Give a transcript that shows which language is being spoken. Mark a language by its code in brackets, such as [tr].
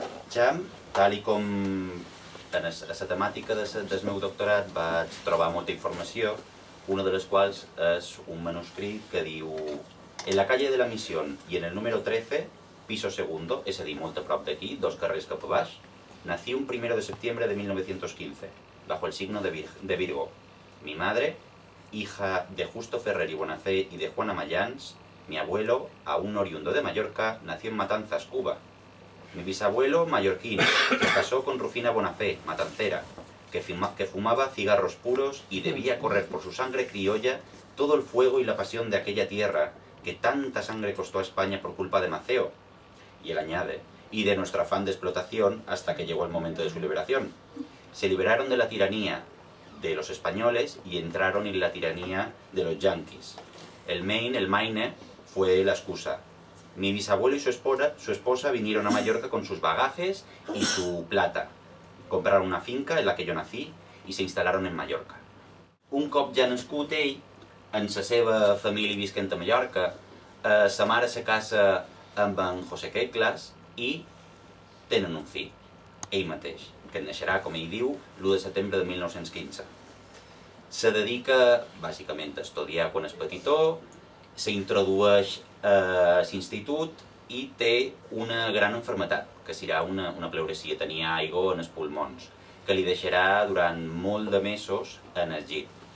[ca] Cham, tal i com [es] en la temàtica del meu doctorat vaig trobar molta informació, una de les quals és un manuscrit que diu en la calle de la Misión y en el número 13, piso segundo, [ca] és a dir, molt a prop d'aquí, dos carrers cap a baix, [es] nací un 1 de septiembre de 1915, bajo el signo de Virgo. Mi madre, hija de Justo Ferrer y Bonacé y de Juana Mayans, mi abuelo, aún oriundo de Mallorca, nació en Matanzas, Cuba. Mi bisabuelo, mallorquín, se casó con Rufina Bonacé, matancera, que fumaba cigarros puros y debía correr por su sangre criolla todo el fuego y la pasión de aquella tierra que tanta sangre costó a España por culpa de Maceo. Y él añade, y de nuestro afán de explotación hasta que llegó el momento de su liberación. Se liberaron de la tiranía de los españoles y entraron en la tiranía de los yanquis. El Maine, fue la excusa. Mi bisabuelo y su esposa vinieron a Mallorca con sus bagajes y su plata. Compraron una finca en la que yo nací y se instalaron en Mallorca. [ca] Un cop ja nascut ell, en sa seva família visquent a Mallorca, sa mare se casa amb en José Queclas i tenen un fill, ell mateix, que naixerà, com ell diu, l'1 de setembre de 1915. Se dedica, bàsicament, a estudiar quan és petitó, s'introdueix a l'institut i té una gran enfermedad, que serà una pleuresia, tenia aigua en els pulmons, que li deixarà durant molt de mesos en el llit.